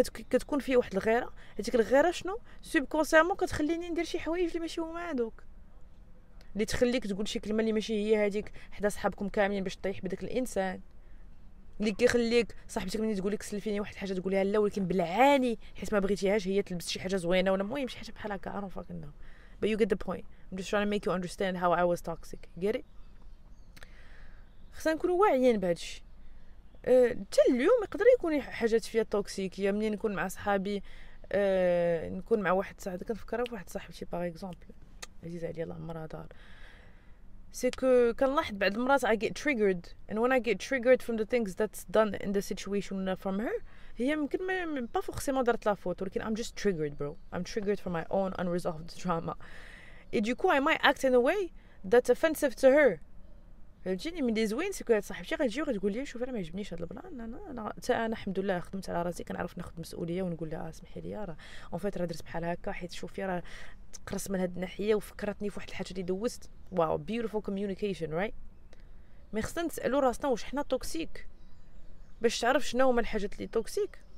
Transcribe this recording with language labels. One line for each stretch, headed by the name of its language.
Arabic: كتكون فيا واحد الغيره، هذيك الغيره شنو سوبكونسيامون كتخليني ندير شي حوايج اللي ماشي هما هذوك، اللي تخليك تقول شي كلمه اللي ماشي هي هذيك حدا صحابكم كاملين باش تطيح بداك الانسان، اللي كيخليك صاحبتك ملي تقول لك سلفيني واحد الحاجه تقوليها لا ولكن بلعاني حيت ما بغيتيهاش هي تلبس شي حاجه زوينه ولا المهم شي حاجه بحال هكا. عارف كنا
English: but you get the point. I'm just trying to make you understand how I was toxic. Get it?
Arabic: خصنا نكونوا واعيين بهادشي. حتى اليوم يقدر يكون حاجات فيها توكسيكيه منين نكون مع صحابي، نكون مع واحد صاحبي كنفكر في واحد صاحبتي باغ اكزومبل عزيزه عليا الله مرا دار. سكو كنلاحظ بعض المرات
English: I get triggered and when I get triggered from the things that's done in the situation from her،
Arabic: هي ممكن ما با فورسيمون درت لا فوت ولكن
English: I'm just triggered bro، I'm triggered for my own unresolved drama.
French: Et du coup
English: I might act in a way that's offensive to her.
Arabic: فهمتيني من زوين سكو صاحبتي غتجي وغتقول لي شوف انا ما يعجبنيش هذا البلان، انا الحمد لله خدمت على راسي كنعرف ناخذ مسؤوليه ونقول لها اسمحي لي راه اون فيت راه درت بحال هكا حيت شوفي راه تقرص من هاد الناحيه وفكرتني في واحد الحاجه اللي دوزت.
English: wow beautiful communication right,
Arabic: مي خصنا نسالو راسنا واش حنا توكسيك باش تعرف شنو هما الحاجات اللي توكسيك.